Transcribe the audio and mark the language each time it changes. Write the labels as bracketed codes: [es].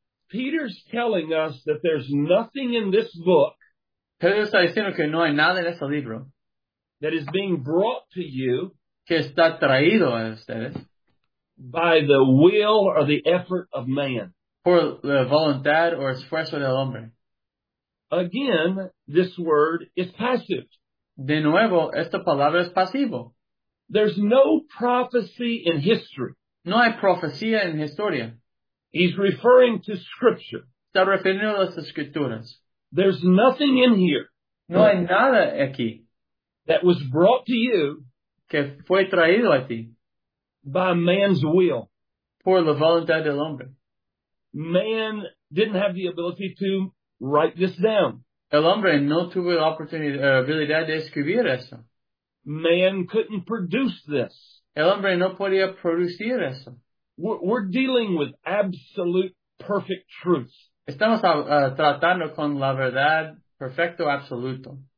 [en] Peter's telling us that there's nothing in this book. [es] Pedro está diciendo que no hay nada en este libro. [en] That is being brought to you. [es] Que está traído a ustedes. [en] By the will or the effort of man. [es] Por la voluntad o esfuerzo del hombre. [en] Again, this word is passive. [es] De nuevo, esta palabra es pasivo. [en] There's no prophecy in history. [es] No hay profecía en historia. [en] He's referring to scripture. [es] Está refiriendo a las escrituras. [en] There's nothing in here. [es] No hay nada aquí. [en] That was brought to you. [es] Que fue traído a ti. [en] By man's will. [es] Por la voluntad del hombre. [en] Man didn't have the ability to write this down. [es] El hombre no tuvo la oportunidad, habilidad de escribir eso. [en] Man couldn't produce this. [es] El hombre no podía producir eso. [en] We're dealing with absolute perfect truth. [es] Estamos tratando con la verdad perfecto absoluto.